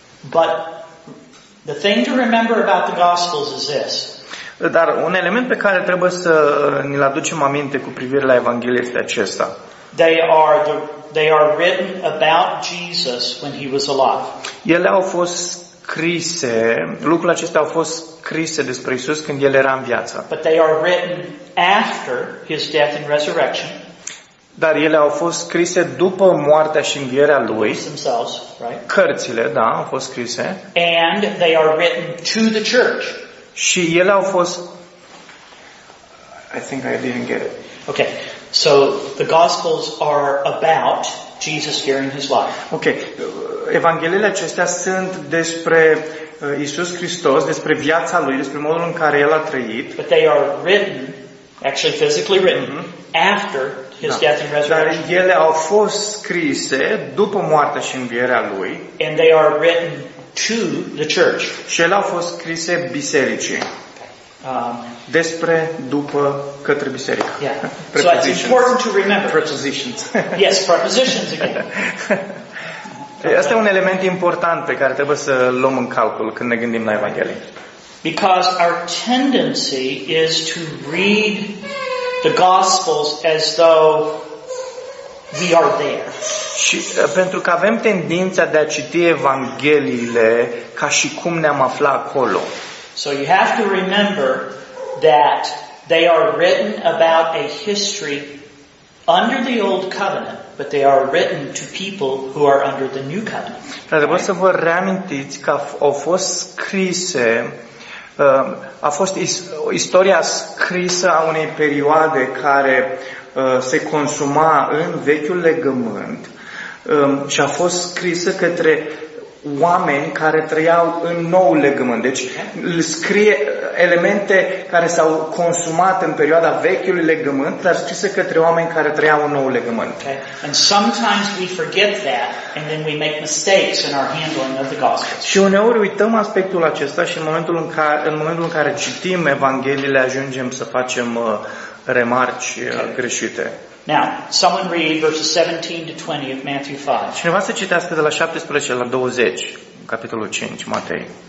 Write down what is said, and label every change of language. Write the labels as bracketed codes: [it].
[en] But the thing to remember about the Gospels is this. [ro] Dar un element pe care trebuie să ne-l aducem aminte cu privire la evanghelie este acesta. [en] They are written about Jesus when he was alive. [ro] Ele au fost scrise, lucrurile acestea au fost scrise despre Isus când el era în viață. [en] But they are written after his death and resurrection. [ro] Dar ele au fost scrise după moartea și învierea lui. Cărțile, da, au fost scrise. [en] And they are written to the church. [ro] Și ele au fost [en] I think I didn't get it. Okay. So the Gospels are about Jesus during his life. Okay. [ro] Evangheliile acestea sunt despre Iisus Hristos, despre viața lui, despre modul în care el a trăit. [en] But they are written, actually physically written, after his death and resurrection. [ro] Dar ele au fost scrise după moartea și învierea lui. [en] And they are written to the church. [ro] Și ele au fost scrise bisericii. Despre după către biserică. [en] Yeah. So it's important to remember. Prepositions. Yes, prepositions again. [ro] Asta e un element important pe care trebuie să luăm în calcul când ne gândim la Evanghelie. [en] Because our tendency is to read the Gospels as though we are there. [ro] Și pentru că avem tendința de a citi evangheliile ca și cum ne-am aflat acolo. [en] So you have to remember that they are written about a history under the old covenant, but they are written to people who are under the new covenant. [ro] Dar trebuie să vă reamintiți că au fost scrise a fost istoria scrisă a unei perioade care se consuma în Vechiul Legământ și a fost scrisă către oameni care trăiau în Noul Legământ. Deci scrie elemente care s-au consumat în perioada Vechiului Legământ, dar scrisă către oameni care trăiau în Noul Legământ. [en] Okay. And sometimes we forget that and then we make mistakes in our handling of the Gospels. [ro] Și uneori uităm aspectul acesta și în momentul în care citim evangheliile ajungem să facem remarci greșite. [en] Now, someone read verses 17 to 20 of Matthew 5. [ro] Cineva să citească de la 17 la 20, capitolul 5, Matei.